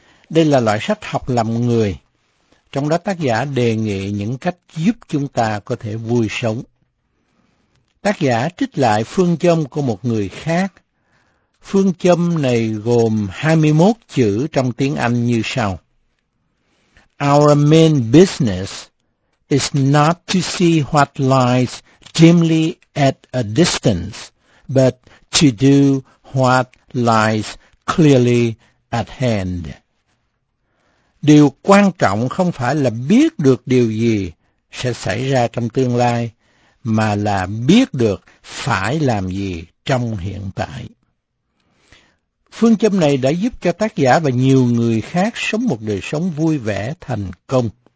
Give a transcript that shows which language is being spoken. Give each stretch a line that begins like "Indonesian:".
Vietnamese: Đây là loại sách học làm người, trong đó tác giả đề nghị những cách giúp chúng ta có thể vui sống. Tác giả trích lại phương châm của một người khác. Phương châm này gồm 21 chữ trong tiếng Anh như sau.
English: Our main business is not to see what lies dimly at a distance, but to do what lies clearly at hand.
Vietnamese: Điều quan trọng không phải là biết được điều gì sẽ xảy ra trong tương lai, mà là biết được phải làm gì trong hiện tại. Phương châm này đã giúp cho tác giả và nhiều người khác sống một đời sống vui vẻ, thành công.